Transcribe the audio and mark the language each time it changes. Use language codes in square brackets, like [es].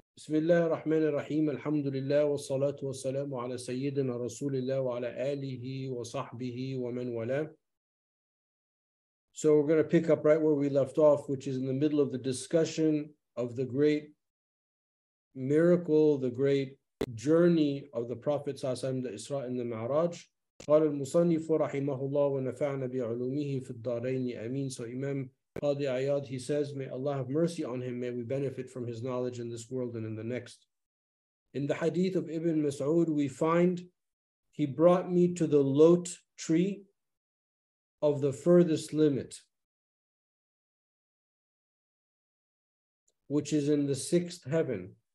[ar] بسم الله الرحمن الرحيم، الحمد لله والصلاة والسلام على سيدنا رسول الله وعلى آله وصحبه ومن والاه. [en] So we're going to pick up right where we left off, which is in the middle of the discussion of the great miracle, the great journey of the Prophet صلى الله عليه وسلم, the Isra and the Mi'raj. [ar] قال المصنف رحمه الله ونفعنا بعلومه في الدارين آمين. [en] So Imam Qadi Ayad, he says, may Allah have mercy on him, may we benefit from his knowledge in this world and in the next. In the hadith of Ibn Mas'ud, we find, he brought me to the lot tree of the furthest limit, which is in the sixth heaven.